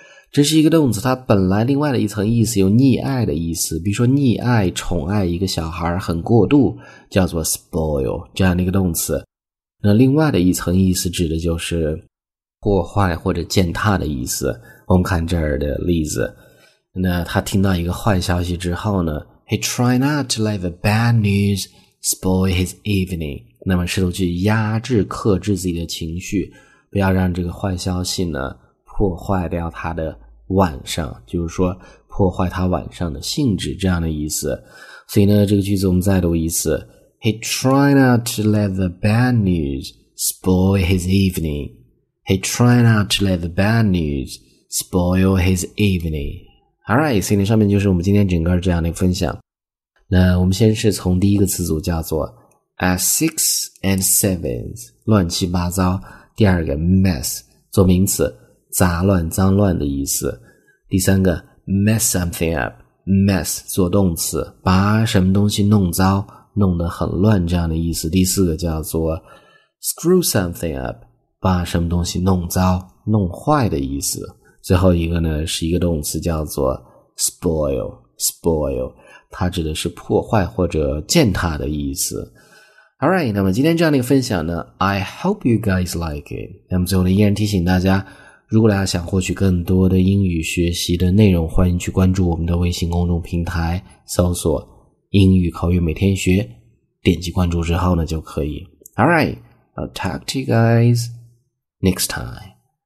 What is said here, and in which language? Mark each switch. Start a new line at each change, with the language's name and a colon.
Chinese: 这是一个动词，它本来另外的一层意思有溺爱的意思，比如说溺爱、宠爱一个小孩很过度，叫做 spoil 这样的一个动词。那另外的一层意思指的就是破坏或者践踏的意思。我们看这儿的例子，那他听到一个坏消息之后呢，
English: He try not to let the bad news spoil his evening。
Chinese: 那么试图去压制、克制自己的情绪，不要让这个坏消息呢破坏掉他的晚上，就是说破坏他晚上的兴致这样的意思。所以呢，这个句子我们再读一次
English: He tried not to let the bad news spoil his evening. He tried not to let the bad news spoil his evening. All right,
Chinese: 所以上面就是我们今天整个这样的分享。那我们先是从第一个词组叫做
English: at six and sevens,
Chinese: 乱七八糟。第二个 mess, 做名词，杂乱脏乱的意思。第三个 mess something up, mess, 做动词，把什么东西弄糟，弄得很乱这样的意思。第四个叫做 screw something up, 把什么东西弄糟，弄坏的意思。最后一个呢是一个动词叫做 spoil, 它指的是破坏或者践踏的意思。
English: Alright,
Chinese: 那么今天这样的一个分享呢
English: I hope you guys like it.
Chinese: 那么最后呢依然提醒大家如果大家想获取更多的英语学习的内容欢迎去关注我们的微信公众平台搜索英语口语每天学点击关注之后呢就可以。
English: Alright, I'll talk to you guys next time.